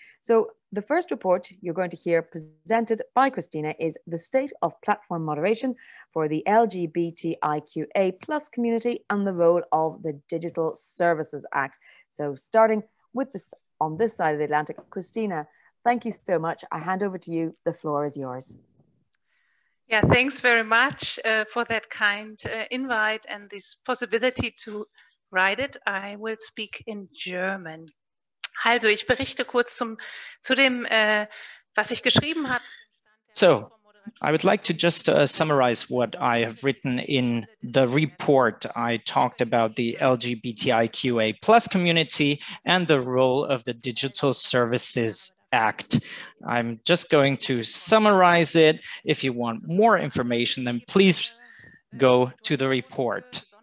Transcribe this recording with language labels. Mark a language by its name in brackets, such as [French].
[English] So the first report you're going to hear presented by Christina is The State of Platform Moderation for the LGBTIQA plus Community and the Role of the Digital Services Act. So starting with this on this side of the Atlantic, Christina, thank you so much. I hand over to you. The floor is yours. Yeah, thanks very much for that kind invite and this possibility to write it. I will speak in German. [German] Also, ich berichte kurz zu dem, was ich geschrieben habe. [English] So, I would like to just summarize what I have written in the report. I talked about the LGBTIQA plus community and the role of the Digital Services Act. I'm just going to summarize it. If you want more information, then please go to the report.